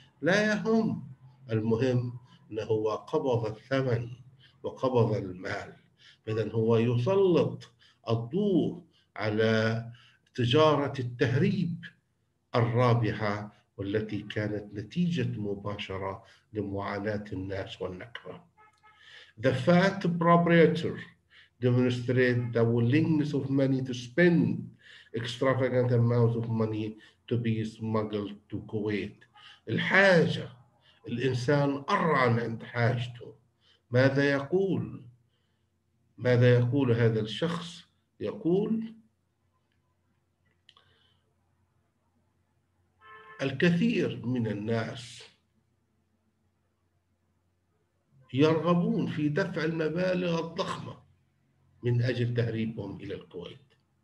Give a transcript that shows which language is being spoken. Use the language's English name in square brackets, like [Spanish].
[Arabic] لا يهم، المهم أنه قبض الثمن وقبض المال. إذن هو يسلط الضوء على تجارة التهريب الرابحة والتي كانت نتيجة مباشرة لمعاناة الناس والنكبة. [English] The fat proprietor demonstrated the willingness of many to spend extravagant amounts of money to be smuggled to Kuwait. [Arabic] الحاجة، الإنسان أرعن عند حاجته. ماذا يقول؟ ماذا يقول هذا الشخص؟ يقول: الكثير من الناس يرغبون في دفع المبالغ الضخمة من أجل تهريبهم إلى الكويت.